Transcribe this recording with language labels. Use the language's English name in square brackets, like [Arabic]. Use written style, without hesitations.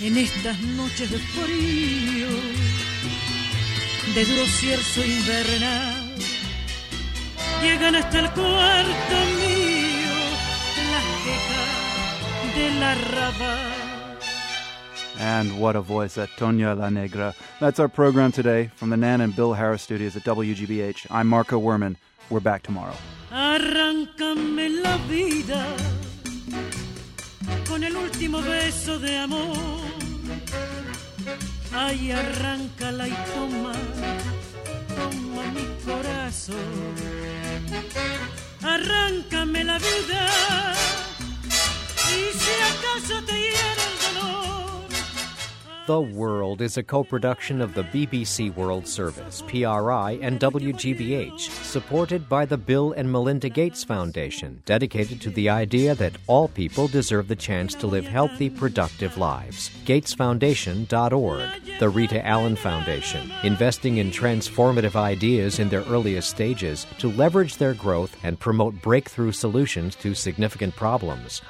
[Spanish] En estas noches de frío, de duro cierzo invernal, llegan hasta el cuarto mío las quejas de la rada. [English] And what a voice at Doña la Negra. That's our program today from the Nan and Bill Harris studios at WGBH. I'm Marco Werman. We're back tomorrow. [Spanish] Arráncame la vida con el último beso de amor. Ay, arráncala y toma, toma mi corazón. Arráncame la vida y si acaso te hiere el dolor. [English] The World is a co-production of the BBC World Service, PRI, and WGBH, supported by the Bill and Melinda Gates Foundation, dedicated to the idea that all people deserve the chance to live healthy, productive lives. GatesFoundation.org. The Rita Allen Foundation, investing in transformative ideas in their earliest stages to leverage their growth and promote breakthrough solutions to significant problems.